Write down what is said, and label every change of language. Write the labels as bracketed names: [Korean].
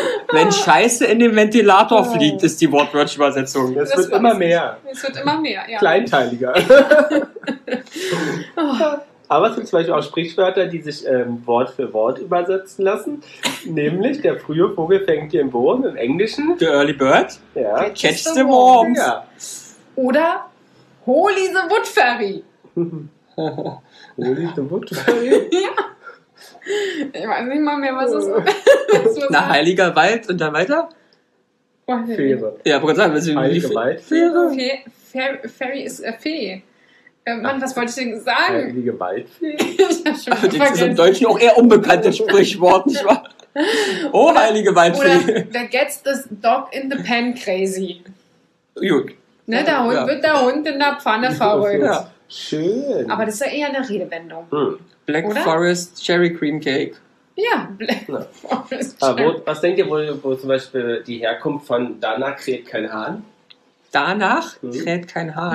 [German] Wenn Scheiße in den Ventilator fliegt, ist die Wortwörtchen-Übersetzung. Es wird immer mehr. Es wird immer mehr, ja. Kleinteiliger. Aber es gibt zum Beispiel auch Sprichwörter, die sich Wort für Wort übersetzen lassen. Nämlich, der frühe Vogel fängt den Wurm im Englischen. [English] The early bird. [German] Ja. [English] Catch the worms. [German] Ja. [English] Oder Holy the wood fairy. Holy the wood fairy? [German] Ja. Ich weiß nicht mal mehr, was es ist. Na, heiliger Wald und dann weiter? Fähre. Ja, wollte gerade sagen, heilige Wald. Fairy ist Fee. Mann, was wollte ich denn sagen? Heilige Waldfee? Ich hab schon aber vergessen. Das ist im Deutschen auch eher unbekanntes Sprichwort, nicht wahr? Oh, oder, heilige Waldfee. [English] Oder, that gets the dog in the pan crazy. [German] Gut. Ne, der Hund, ja, wird der Hund in der Pfanne verrückt. Ja. Schön. Aber das ist ja eher eine Redewendung. [English] Hm. Black, oder? Forest Cherry Cream Cake. [German] Ja, [English] Black Forest Cherry. [German] Was denkt ihr wohl, wo zum Beispiel die Herkunft von Dana kräht kein Hahn? Danach kräht kein Hahn.